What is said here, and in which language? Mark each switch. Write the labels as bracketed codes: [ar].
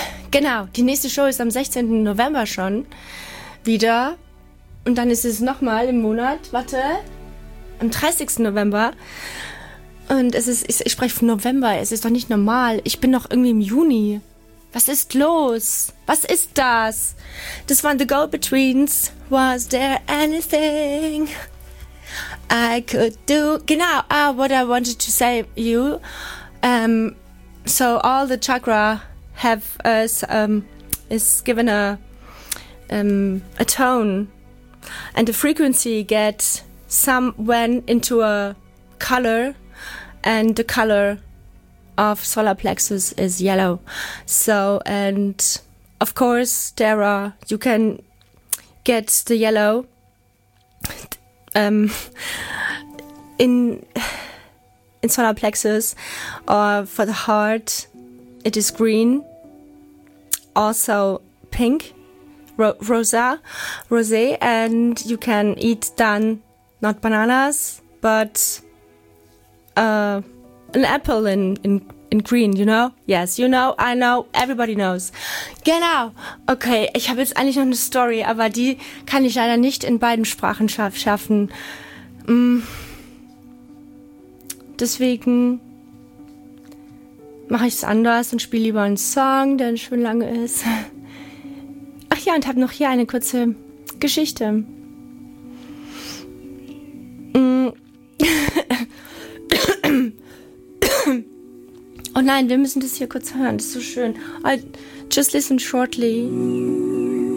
[de] Genau, die nächste Show ist am 16. November schon wieder und dann ist es nochmal im Monat, warte, am 30. November. Und es ist, ich spreche von November, es ist doch nicht normal. Ich bin noch irgendwie im Juni. Was ist los? Was ist das? Das waren The Go-Betweens. [en] Was there anything I could do? Genau, what I wanted to say you. So all the chakra have us, is given a tone. And the frequency gets somewhere into a color. And the color of solar plexus is yellow. So, and of course, there are, you can get the yellow in solar plexus, or for the heart, it is green, also pink, rosé, and you can eat then, not bananas, but an apple in green, you know? Yes, you know, I know, everybody knows. [de] Genau. Okay, ich habe jetzt eigentlich noch eine Story, aber die kann ich leider nicht in beiden Sprachen schaffen. Deswegen mache ich es anders und spiele lieber einen Song, der schön lang ist. Ach ja, und habe noch hier eine kurze Geschichte. Oh nein, wir müssen das hier kurz hören. Das ist so schön. [en] I'll just listen shortly.